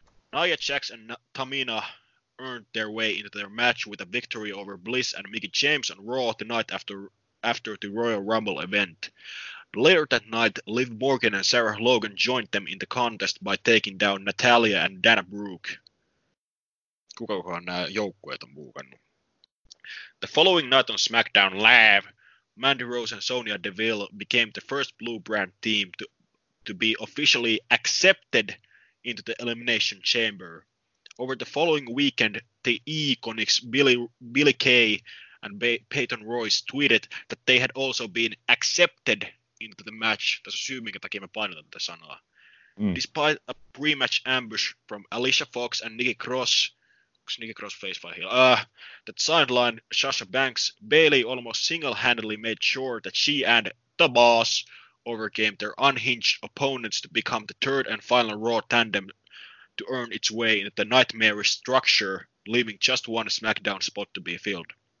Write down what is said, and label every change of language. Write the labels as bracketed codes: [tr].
[en] Nia Jax and Tamina earned their way into their match with a victory over Bliss and Mickie James on Raw the night after the Royal Rumble event. Later that night, Liv Morgan and Sarah Logan joined them in the contest by taking down Natalia and Dana Brooke. [fi] Kukakohan nämä joukkueet on muukannut? [en] The following night on SmackDown Live, Mandy Rose and Sonya Deville became the first blue brand team to be officially accepted into the Elimination Chamber. Over the following weekend, the Iconics Billy Kay and Peyton Royce tweeted that they had also been accepted into the match. [fi] Tässä on syy, minkä takia mä painotan tätä sanaa. Mm. [en] Despite a pre-match ambush from Alicia Fox and Nikki Cross, Nikki Cross face by heel, that sidelined Sasha Banks, Bayley almost single-handedly made sure that she and the boss overcame their unhinged opponents to become the third and final Raw tandem to earn its way into the nightmarish structure, leaving just one SmackDown spot to be filled.